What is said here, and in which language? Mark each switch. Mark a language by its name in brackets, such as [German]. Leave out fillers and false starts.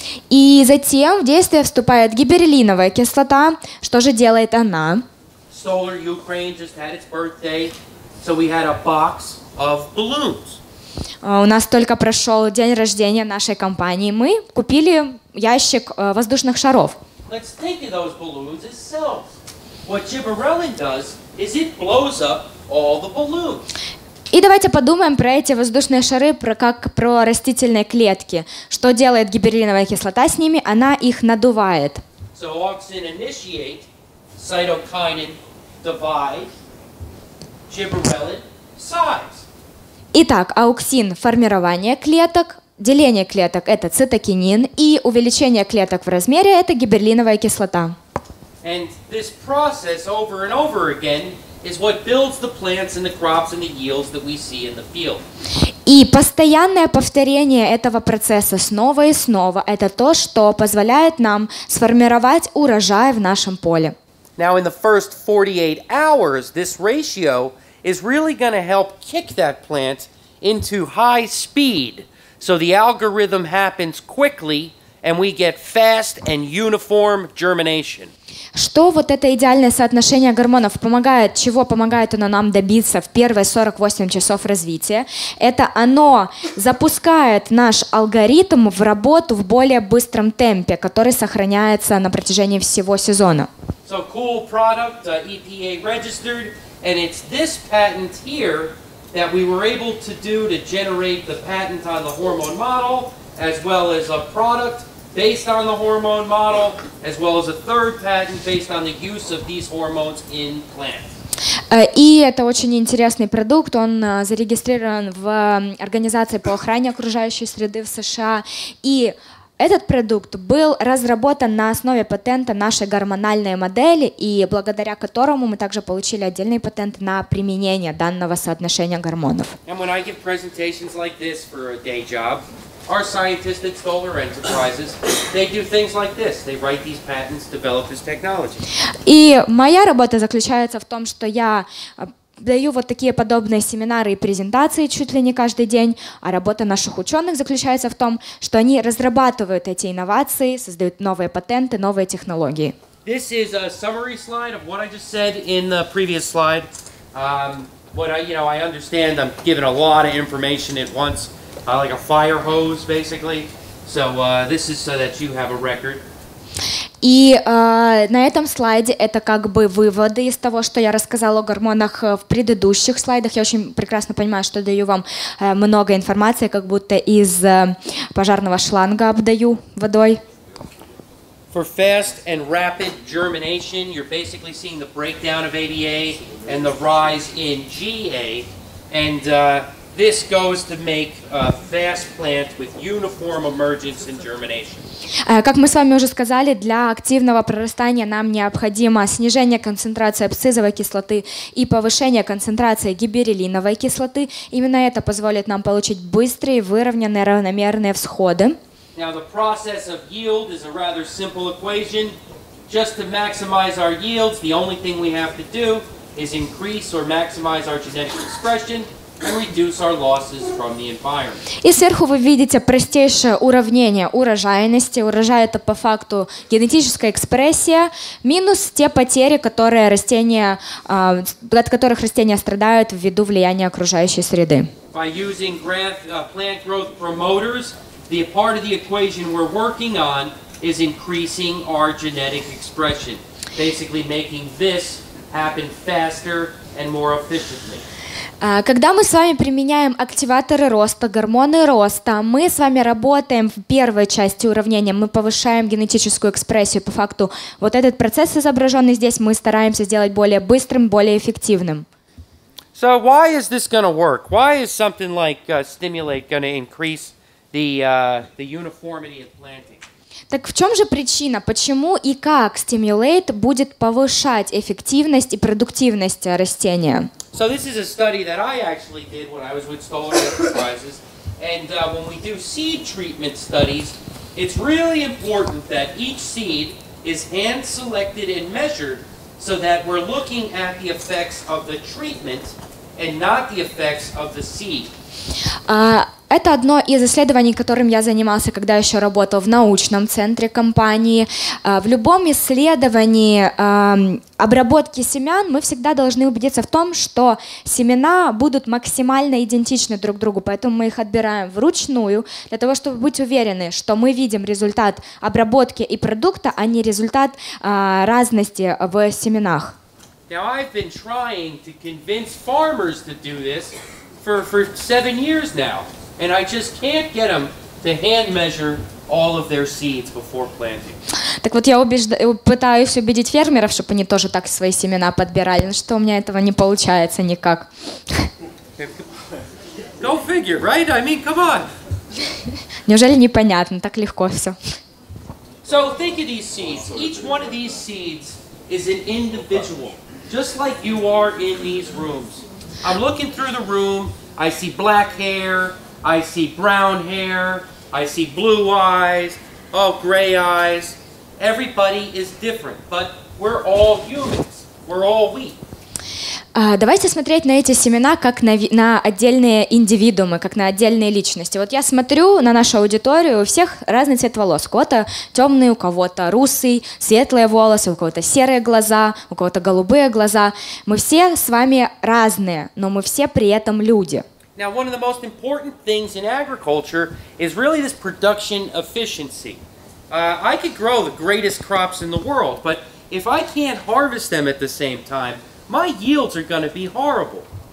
[Russian] И затем в действие вступает гибберлиновая кислота. Что же делает она? [English] Solar Ukraine just had its birthday, so we had a box of balloons. [Russian] У нас только прошел день рождения нашей компании. Мы купили ящик воздушных шаров. [English] Let's think of those balloons as cells. What gibberellin does is it blows up all the balloons. [Russian] И давайте подумаем про эти воздушные шары, как про растительные клетки. Что делает гибберлиновая кислота с ними? Она их надувает. [English] So auxin initiate, cytokinin divide, gibberellin size. [Russian] Итак, ауксин – формирование клеток, деление клеток – это цитокинин, и увеличение клеток в размере – это гибберлиновая кислота. [English] And this process over and over again is what builds the plants and the crops and the yields that we see in the field. [Russian] И постоянное повторение этого процесса снова и снова – это то, что позволяет нам сформировать урожай в нашем поле. [English] Now in the first 48 hours, this ratio is really going to help kick that plant into high speed, so the algorithm happens quickly and we get fast and uniform germination. [Russian] Что вот это идеальное соотношение гормонов помогает, чего помогает оно нам добиться в первые 48 часов развития? Это оно запускает наш алгоритм в работу в более быстром темпе, который сохраняется на протяжении всего сезона. [English] So cool product, EPA registered, and it's this patent here that we were able to do to generate the patent on the hormone model, as well as a product based on the hormone model, as well as a third patent based on the use of these hormones in plants. [Russian] И это очень интересный продукт. Он зарегистрирован в организации по охране окружающей среды в США. И этот продукт был разработан на основе патента нашей гормональной модели, и благодаря которому мы также получили отдельный патент на применение данного соотношения гормонов. [English] And when I give presentations like this for a day job, our scientists at Stoller Enterprises, they do things like this. They write these patents, develop this technology. [Russian] И моя работа заключается в том, что я даю вот такие подобные семинары и презентации чуть ли не каждый день, а работа наших ученых заключается в том, что они разрабатывают эти инновации, создают новые патенты, новые технологии. [English] This is a summary slide of what I just said in the previous slide. I understand I'm giving a lot of information at once. Like a fire hose, basically. So this is so that you have a record. [Russian] И на этом слайде это как бы выводы из того, что я рассказала о гормонах в предыдущих слайдах. Я очень прекрасно понимаю, что даю вам много информации, как будто из пожарного шланга обдаю водой. [English] For fast and rapid germination, you're basically seeing the breakdown of ABA and the rise in GA. And this goes to make a fast plant with uniform emergence and germination. [Russian] Как мы с вами уже сказали, для активного прорастания нам необходимо снижение концентрации абсцизовой кислоты и повышение концентрации гибериллиновой кислоты. Именно это позволит нам получить быстрые, выровненные, равномерные всходы. [English] Now the process of yield is a rather simple equation. Just to maximize our yields, the only thing we have to do is increase or maximize our genetic expression. And reduce our losses from the environment. [Russian] И сверху вы видите простейшее уравнение урожайности. Урожай – это по факту генетическая экспрессия минус те потери, которые растения, от которых растения страдают ввиду влияния окружающей среды. [English] By using plant growth promoters, the part of the equation we're working on is increasing our genetic expression, basically making this happen faster and more efficiently. [Russian] Когда мы с вами применяем активаторы роста, гормоны роста, мы с вами работаем в первой части уравнения, мы повышаем генетическую экспрессию. По факту, вот этот процесс, изображенный здесь, мы стараемся сделать более быстрым, более эффективным. [English] So why is this going to work? Why is something like stimulate going to increase the uniformity of planting? [Russian] Так в чем же причина, почему и как стимулейт будет повышать эффективность и продуктивность растения? [English] So this is a study that I actually did when I was with Stoller Enterprises. And when we do seed treatment studies, it's really important that each seed is hand-selected and measured so that we're looking at the effects of the treatment and not the effects of the seed. [Russian] Это одно из исследований, которым я занимался, когда еще работал в научном центре компании. В любом исследовании обработки семян мы всегда должны убедиться в том, что семена будут максимально идентичны друг другу, поэтому мы их отбираем вручную, для того, чтобы быть уверены, что мы видим результат обработки и продукта, а не результат разности в семенах. [English] Now I've been trying to convince farmers to do this for 7 years now. And I just can't get them to hand measure all of their seeds before planting. [Russian] Так вот, я пытаюсь убедить фермеров, чтобы они тоже так свои семена подбирали, что у меня этого не получается никак. [English] Go figure, right? I mean, come on. [Russian] Неужели непонятно? Так легко все. [English] So think of these seeds. Each one of these seeds is an individual. just like you are in these rooms. I'm looking through the room, I see black hair, I see brown hair, I see blue eyes, oh, gray eyes. Everybody is different, but we're all humans, we're all wheat. [Russian] Давайте смотреть на эти семена как на отдельные индивидуумы, как на отдельные личности. Вот я смотрю на нашу аудиторию, у всех разный цвет волос. У кого-то темный, у кого-то русый, светлые волосы, у кого-то серые глаза, у кого-то голубые глаза. Мы все с вами разные, но мы все при этом люди. [English] Now, one of the most important things in agriculture is really this production efficiency. I could grow the greatest crops in the world, but if I can't harvest them at the same time, my yields are going to be horrible.